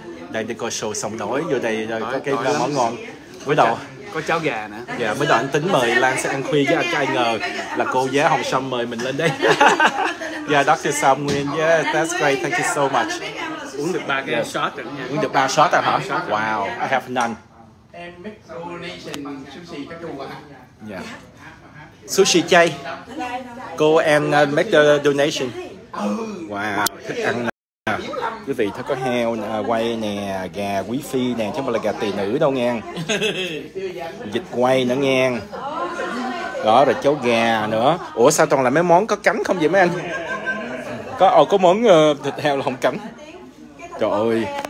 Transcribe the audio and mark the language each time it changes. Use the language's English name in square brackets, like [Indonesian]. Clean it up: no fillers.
[Vietnamese] Đây đi coi show xong đói vô đây rồi có cái món ngon. Với đầu có cháo gà nữa. Dạ, mới đầu anh tính mời Lan sẽ ăn khuya với anh, ai ngờ là cô Giá Hồng Sâm mời mình lên đây. Dạ, yeah, Dr. [English] Sam Nguyên, yeah, that's great, thank you so much. [Vietnamese] Uống được 3 cái shot rồi nha. Uống được 3 shot rồi hả? [English] Wow, I have none. And make [Vietnamese] yeah. Sushi chay. [English] Go and make the donation. [Vietnamese] Wow, thích ăn nè. Quý vị thấy có heo nè, quay nè, gà quý phi nè, chứ không phải là gà tỳ nữ đâu nha. Vịt quay nữa nha. Đó, rồi cháu gà nữa. Ủa sao toàn là mấy món có cánh không vậy mấy anh? Có, ồ, có món thịt heo là không cánh. Trời ơi.